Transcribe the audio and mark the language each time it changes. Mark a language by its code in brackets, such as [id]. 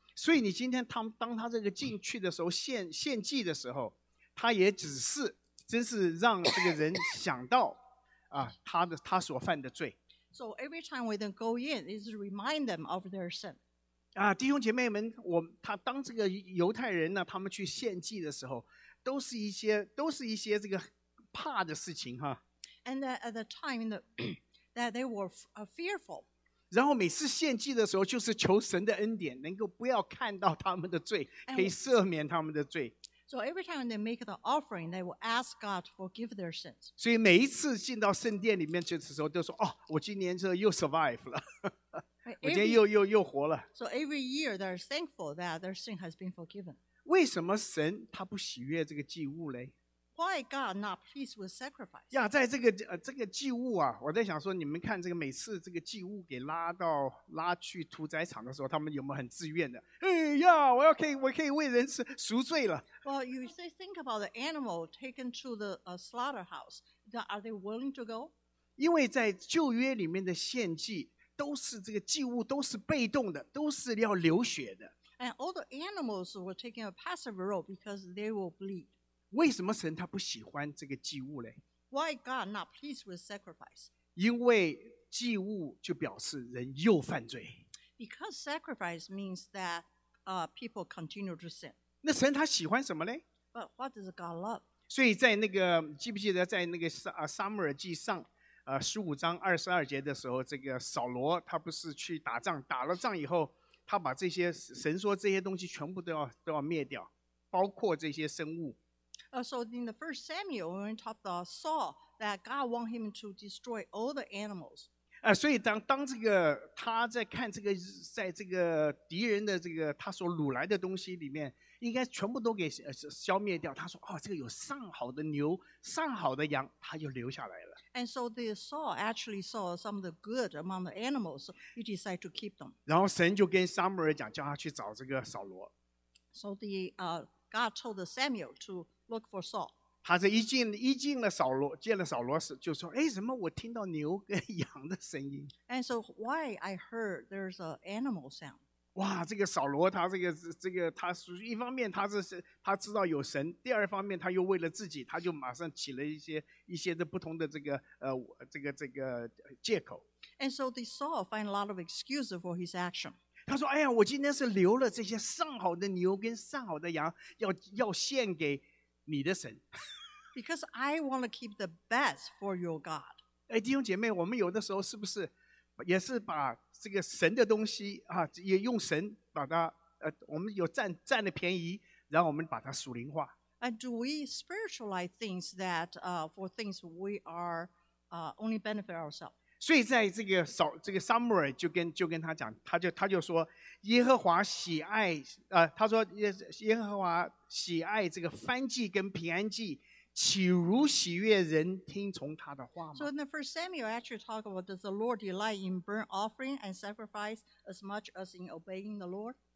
[zh] 所以你今天当他这个进去的时候，献祭的时候，他也只是真是让这个人想到啊，他所犯的罪。 [en] So every time we then go in, is to remind them of their sin. [zh] 啊，弟兄姐妹们，他当这个犹太人呢，他们去献祭的时候。都是一些这个怕的事情哈。 [en] And that at the time that they were fearful. [zh] 然后每次献祭的时候，就是求神的恩典，能够不要看到他们的罪，可以赦免他们的罪。 [en] So every time they make the offering, they will ask God to forgive their sins. [zh] 所以每一次进到圣殿里面去的时候，都说：“哦，我今年这又 [en] survive [zh] 了，我今天又活了。” [en] So every year they are thankful that their sin has been forgiven. [zh] 为什么神他不喜悦这个祭物嘞 [en] ？Why God not pleased with sacrifice？ [zh] 呀，在这个祭物啊，我在想说，你们看这个每次这个祭物给拉去屠宰场的时候，他们有没有很自愿的？哎呀，我可以为人赎罪了。 [en] Well, you say think about the animal taken to the slaughterhouse. Are they willing to go？ [zh] 因为在旧约里面的献祭都是这个祭物都是被动的，都是要流血的。 [en] And all the animals were taking a passive role because they will bleed. [zh] 为什么神他不喜欢这个祭物呢？ [en] Why God not pleased with sacrifice? [zh] 因为祭物就表示人又犯罪。 [en] Because sacrifice means that people continue to sin. [zh] 那神他喜欢什么呢？ [en] But what does God love? [zh] 所以在那个记不记得在那个撒母耳记上十五章二十二节的时候，这个扫罗他不是去打仗，打了仗以后。他把这些神说这些东西全部都要灭掉，包括这些生物。 [en] So in the first Samuel, when we talked about Saul, that God wanted him to destroy all the animals. [zh] 所以当这个他在看这个在这个敌人的这个他所掳来的东西里面，应该全部都给消灭掉。他说：“哦，这个有上好的牛，上好的羊，他就留下来了。” [en] And so the Saul actually saw some of the good among the animals. So he decided to keep them. [zh] 然后神就跟撒母耳讲，叫他去找这个扫罗。 [en] So the God told Samuel to look for Saul. [zh] 他这一进了扫罗，见了扫罗时，就说：“哎，怎么我听到牛跟羊的声音 [en] ？”And so why I heard there's an animal sound. [zh] 哇，这个扫罗他这个他一方面他知道有神，第二方面他又为了自己，他就马上起了一些的不同的这个借口。 [en] And so the Saul find a lot of excuses for his action. [zh] 他说：“哎呀，我今天是留了这些上好的牛跟上好的羊，要献给你的神。” [en] Because I want to keep the best for your God. [zh] 哎，弟兄姐妹，我们有的时候是不是也是把这个神的东西啊，也用神把它我们有占了便宜，然后我们把它属灵化。 [en] And do we spiritualize things that for things we are only benefit ourselves? [zh] 所以在这个 Samuel 就跟他讲，他就说耶和华喜爱他说耶和华喜爱这个燔祭跟平安祭。岂如喜悦人听从他的话吗 [en] ？So in the first Samuel, actually talk about does the Lord delight in burnt offering and sacrifice as much as in obeying the Lord?